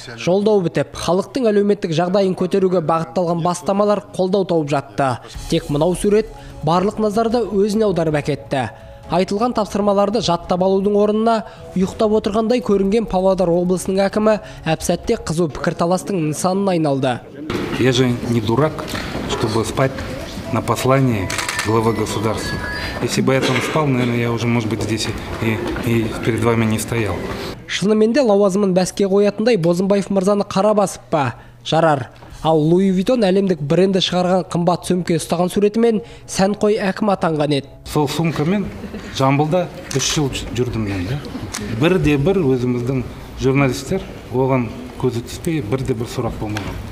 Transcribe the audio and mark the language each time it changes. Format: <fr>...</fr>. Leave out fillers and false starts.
<kk>Жолдау бітіп, халықтың әлеуметтік жағдайын көтеруге бағытталған бастамалар қолдау тауып жатты. Тек мынау сурет барлық назарды өзіне аударып әкетті. Айтылған тапсырмаларды жаттап алудың орнына ұйықтап отырғандай көрінген Павлодар облысының әкімі әпсәтте қызу пікірталастың нысанына айналды.</kk> <ru>Я же не дурак, чтобы спать на послании главы государства. Если бы я там спал, наверное, я уже, может быть, здесь и перед вами не стоял.</ru> <kk>Шынымен де лауазымын бәске қоятындай Бозымбаев мырзаны қара басып па? Жарар. Ал Луи Витон әлемдік бренді шығарған қымбат сөмке ұстаған суретімен сәнқой әкім атанған еді. Сол сөмкемен Жамбылда 3 жыл жүрдім мен. Бір де бір өзіміздің журналистер оған көзі түспей бір де бір сұрақ болмаған.</kk>